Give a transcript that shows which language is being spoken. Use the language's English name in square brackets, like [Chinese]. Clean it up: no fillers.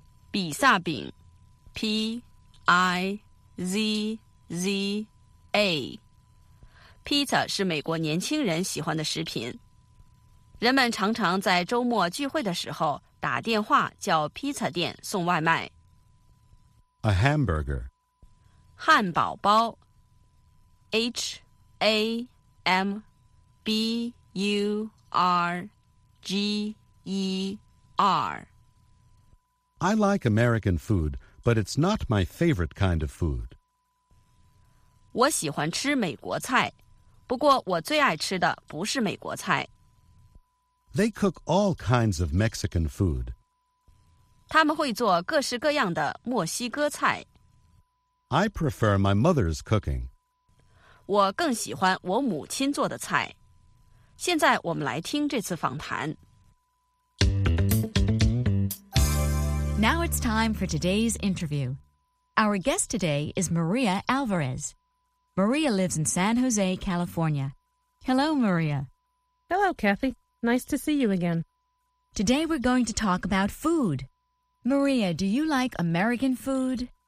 [Chinese] 比萨饼 P-I-Z-A Z-Z-A Pizza 是美国年轻人喜欢的食品，人们常常在周末聚会的时候打电话叫 Pizza 店送外卖。 [English] A hamburger [Chinese] 汉堡包 H-A-M-B-U-R-G-E-R [English] I like American food, but it's not my favorite kind of food. [Chinese] 我喜欢吃美国菜，不过我最爱吃的不是美国菜。 [English] They cook all kinds of Mexican food. [Chinese] 他们会做各式各样的墨西哥菜。 [English] I prefer my mother's cooking. [Chinese] 我更喜欢我母亲做的菜。现在我们来听这次访谈。 [English] Now it's time for today's interview. Our guest today is Maria Alvarez. Maria lives in San Jose, California. Hello, Maria. Hello, Kathy. Nice to see you again. Today we're going to talk about food. Maria, do you like American food?